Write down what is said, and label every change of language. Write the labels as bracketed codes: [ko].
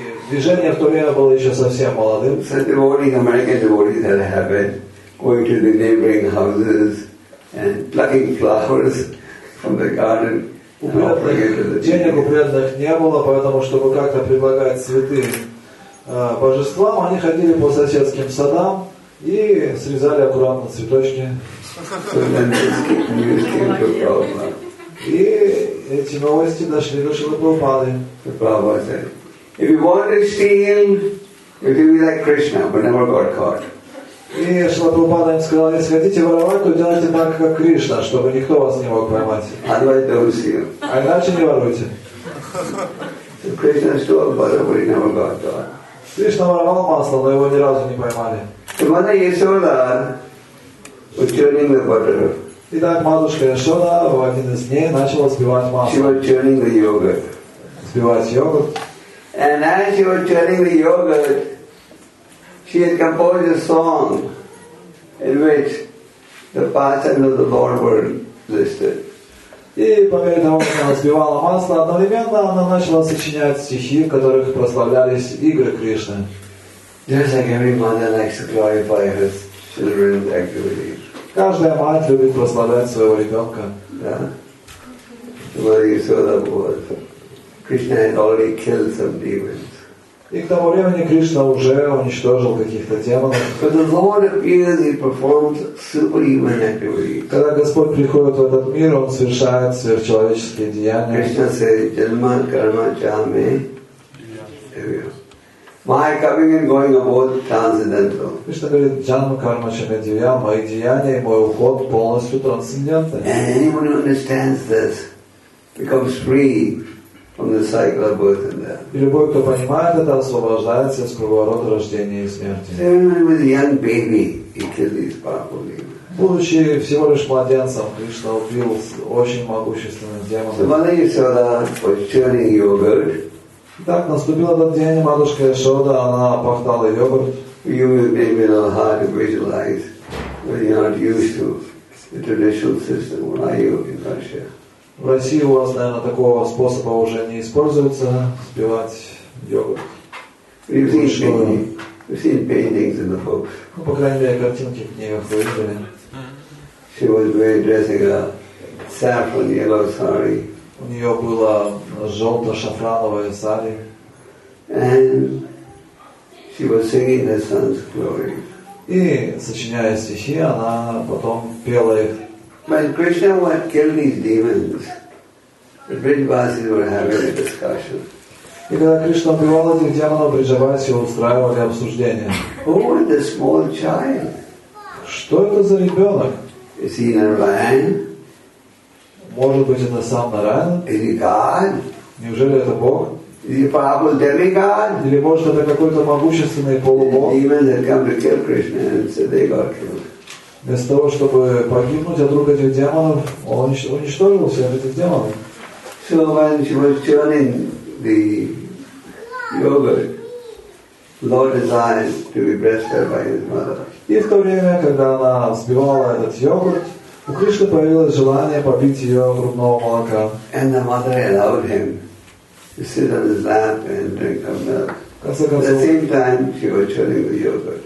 [ru] Движение в то время было еще совсем молодым. [en] So devotees, American devotees had a habit going to the neighboring houses and plucking flowers from the garden. [ru] Денег у преданных не было, поэтому, чтобы как-то предлагать цветы божествам, они ходили по соседским садам и срезали аккуратно цветочки. [en] So then news came to Prabhupada. [ru] И эти новости дошли до Шрилы Прабхупады. [en] The Prabhupada said, if you want to steal, you can be like Krishna, but never got caught. [ru] И Шрила Прабхупада им сказал, если хотите воровать, то делайте так, как Кришна, чтобы никто вас не мог поймать. [en] Otherwise don't steal. [ru] А иначе не воруйте. [en] So Krishna stole butter, but he never got caught. [ru] Кришна воровал масло, но его ни разу не поймали. [en] Mother Yashoda was churning the butter. [ru] Итак, матушка Яшода в один из дней начала взбивать масло. [en] She was churning the yogurt. [ru] Взбивать йогурт. [en] And as she was churning the yogurt, she had composed a song in which the pastimes of the Lord were listed. [ru] И по мере того, как она взбивала масло, одновременно она начала сочинять стихи, в которых прославлялись игры Кришны. [en] Just like every mother likes to glorify her children's activities. [ru] Каждая мать любит прославлять своего ребенка. Да. [en] Мария Ясода was. Krishna had already killed some demons. [ru] И к тому времени Кришна уже уничтожил каких-то демонов. [en] But the Lord appears, he performs superhuman activities. [ru] Когда Господь приходит в этот мир, он совершает сверхчеловеческие деяния. [en] Krishna said, [sa] "Janma karma chame." [en] My coming and going are both transcendental. [ru] Кришна говорит, [sa] джанма карма чамедивья, [ru] мои деяния и мой уход полностью трансцендентны. [en] And anyone who understands this becomes free from the cycle of birth and death. [ru] И любой, кто понимает это, освобождается с круговорота рождения и смерти. [en] Even with a young baby, he killed these powerful demons. [ru] Будучи всего лишь младенцем, Кришна убил очень могущественных демонов. [en] So Mother Yashoda was churning yogurt. [ru] Так наступил этот день, матушка Яшода, она пахтала йогурт. [en] You will be a little hard to visualize when you're not used to the traditional system when I yoga in Russia. [ru] В России у вас, наверное, такого способа уже не используется, сбивать делать. [en] We've seen paintings in the books. [ru] По крайней мере, картинки в книгах вы видели. [en] She was wearing dressing a saffron yellow sari. [ru] У нее было желто-шафрановое сари. [en] And she was singing the sun's glory. [ru] И сочиняя стихи, она потом пела их. [en] When Krishna would kill these demons, the Vrindavasis were having a discussion. [ru] И когда Кришна убивал этих демонов, Бриджавасии устраивали обсуждение. [en] Who is this small child? [ru] Что это за ребенок? [en] Is he Narayan? [ru] Может быть, это сам Нараян? [en] Is he God? [ru] Неужели это Бог? [en] Is he a powerful demigod? [ru] Или может это какой-то могущественный полубог? [en] Demons that come to kill Krishna and say they got killed. [ru] Вместо того, чтобы погибнуть от рук этих демонов, он уничтожил всех этих демонов. [en] So when she was churning the yogurt, Lord desired to be breastfed by his mother. [ru] И в то время, когда она взбивала этот йогурт, у Кришны появилось желание попить ее грудного молока. [en] And the mother allowed him to sit on his lap and drink her milk. At the same time, she was churning the yogurt.